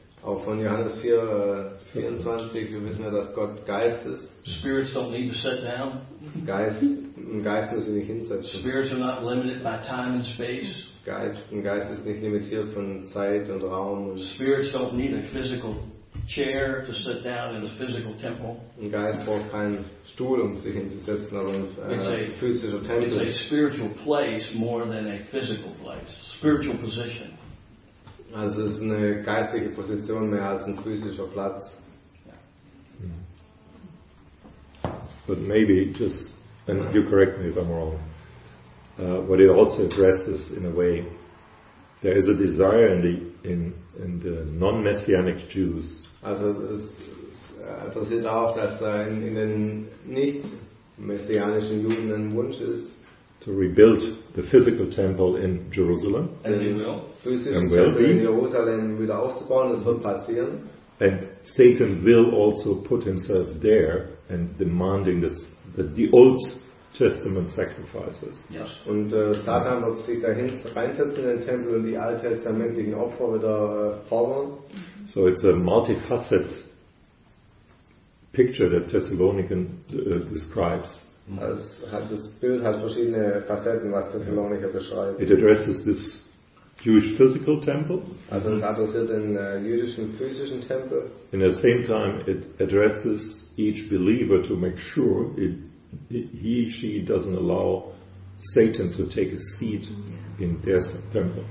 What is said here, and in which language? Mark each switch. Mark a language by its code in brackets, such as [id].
[de] Auch von Johannes 4:24, wir wissen ja, dass Gott Geist ist. [en] Spirits don't need to sit down. [de] Geist muss sich nicht hinsetzen. [en] Spirits are not limited by time and space. [de] Geist ist nicht limitiert von Zeit und Raum. [en] Spirits don't need a physical chair to sit down in a physical temple. [de] Ein Geist braucht keinen Stuhl, um sich hinzusetzen, aber ein physischer Tempel. [en] It's a spiritual place more than a physical place. Spiritual position. [de] Also es ist eine geistige Position mehr als ein physischer Platz. [en] But maybe just, and you correct me if I'm wrong, what it also addresses in a way, there is a desire in the non-messianic Jews. [de] Also es adressiert auch, dass da in den nicht-messianischen Juden ein Wunsch ist, [en] to rebuild the physical temple in Jerusalem. And they will. [de] Physischen Tempel in Jerusalem wieder aufzubauen, das wird passieren. [en] And Satan will also put himself there and demanding the Old Testament sacrifices. Yes. [de] Und Satan wird sich dahin reinsetzen in den Tempel und die alttestamentlichen Opfer wieder fordern. [en] So it's a multifaceted picture that Thessalonians describes. [de] Das Bild hat verschiedene Facetten, was Thessalonicher beschreibt. [en] It addresses this Jewish physical temple. [de] Also es adressiert den jüdischen physischen Tempel. [en] In the same time, it addresses each believer to make sure he/she doesn't allow Satan to take a seat in their temple.